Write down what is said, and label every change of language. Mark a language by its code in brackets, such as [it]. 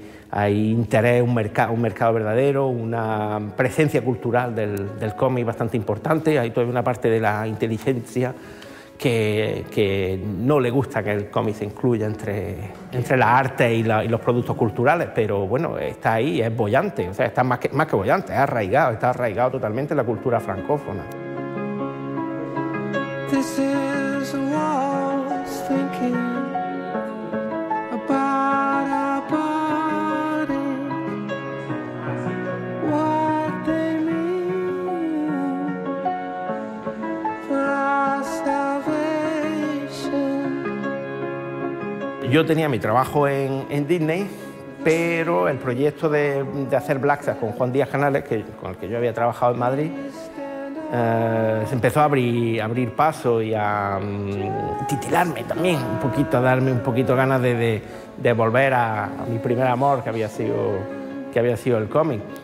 [es] hay interés, un mercado verdadero, una presencia cultural del cómic bastante importante, hay toda una parte de la inteligencia que no le gusta que el cómic se incluya entre las artes y los productos culturales, pero bueno, está ahí, es boyante, o sea, está más que boyante, está arraigado totalmente en la cultura francófona. [en] This is a waltz thinking about our bodies, what they mean for our salvation. [es] Yo tenía mi trabajo en Disney, pero el proyecto de hacer Blacksa con Juan Díaz Canales, con el que yo había trabajado en Madrid, se empezó a abrir paso y a titilarme también un poquito, a darme un poquito ganas de volver a mi primer amor que había sido el cómic.